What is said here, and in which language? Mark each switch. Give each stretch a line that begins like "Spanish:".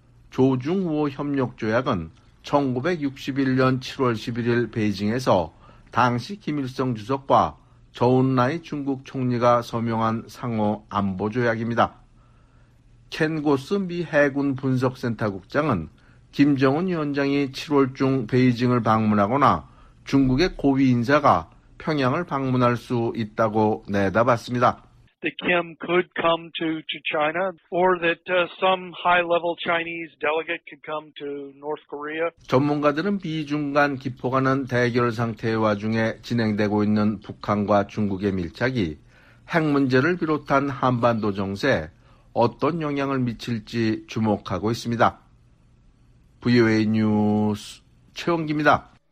Korean: 조중우호협력조약은 1961년 7월 11일 베이징에서 당시 김일성 주석과 저온라이 중국 총리가 서명한 상호 안보 조약입니다. 켄 고스 미 해군 분석센터 국장은 김정은 위원장이 7월 중 베이징을 방문하거나 중국의 고위 인사가 평양을 방문할 수 있다고 내다봤습니다.
English: That Kim could come to China, or that some high-level Chinese delegate could come to North Korea.
Korean: 전문가들은 미중 간 기포가는 대결 상태의 와중에 진행되고 있는 북한과 중국의 밀착이 핵 문제를 비롯한 한반도 정세에 어떤 영향을 미칠지 주목하고 있습니다. VOA 뉴스 최원기입니다.